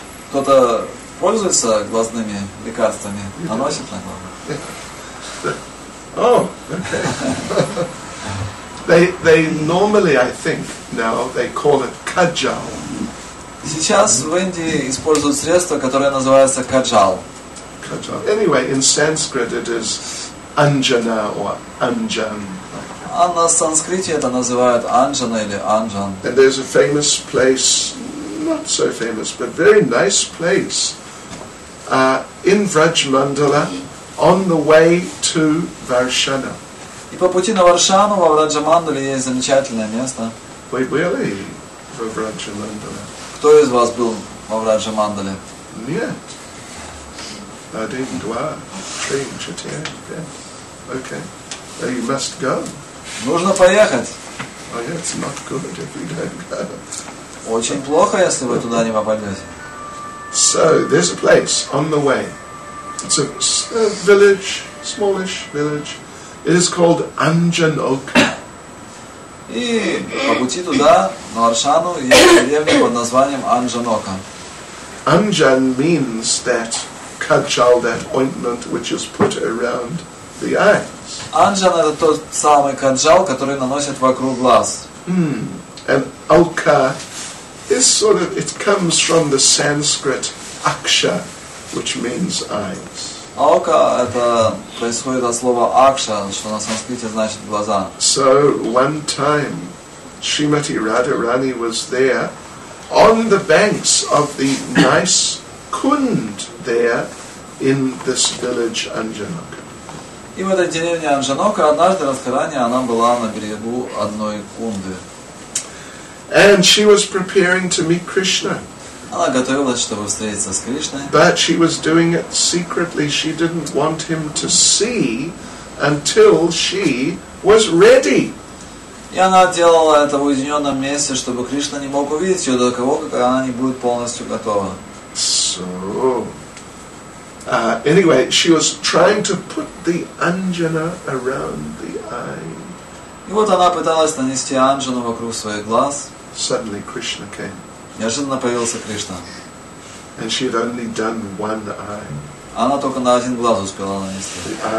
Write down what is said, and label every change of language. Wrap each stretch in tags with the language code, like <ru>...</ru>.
<ru>Кто-то пользуется глазными лекарствами, наносит на глаза.</ru> <en>Oh, okay. They normally, I think, now they call it kajal.</en> <ru>Сейчас в Индии используют средство, которое называется каджал.</ru> <en>Kajal. Anyway, in Sanskrit it is anjana or anjan.</en> <ru>А на санскрите это называют анджана или анджан.</ru> <en>And there's a famous place, not so famous, but very nice place, in Vrajmandala, on the way to Varshana.</en> <ru>И по пути на Варшану во Враджамандале есть замечательное место.</ru> <en>Wait, really? For Vrajmandala.</en> <ru>Кто из вас был во Враджамандале? Нет.</ru> <en>I didn't go. Train, Chetan. Yeah. Okay. Well, you must go.</en> <ru>Нужно поехать.</ru> <en>Oh, yeah, it's not good if you don't go.</en> <ru>Очень плохо, если вы туда не попадете.</ru> <en>So, there's a place on the way. It's a village, smallish village. It is called Anjanoka.</en> <ru>И по пути туда, на Варшану, есть деревня под названием Анджанока.</ru> <en>Anjan means that kajal, that ointment which is put around the eye.</en> <ru>Анджан это тот самый каджал, который наносят вокруг глаз.</ru> <en>And alka is sort of it comes from the Sanskrit aksha, which means eyes.</en> <ru>Алка это происходит от слова акша, что на санскрите значит глаза.</ru> <en>So one time Shrimati Radharani was there on the banks of the nice kund there in this village Anjanoka.</en> <ru>И в этой деревне Анджанока однажды Радхарани она была на берегу одной кунды.</ru> <en>And she was preparing to meet Krishna.</en> <ru>Она готовилась, чтобы встретиться с Кришной.</ru> <en>But she was doing it secretly. She didn't want him to see until she was ready.</en> <ru>И она делала это в уединенном месте, чтобы Кришна не мог увидеть ее до того, как она не будет полностью готова.</ru> <en>So, anyway, she was trying to put the anjana around the eye.</en> <ru>И вот она пыталась нанести анджану вокруг своих глаз.</ru> <en>Suddenly Krishna came.</en> <ru>Неожиданно появился Кришна.</ru> <en>And she had only done one eye.</en> <ru>Она только на один глаз успела нанести.</ru>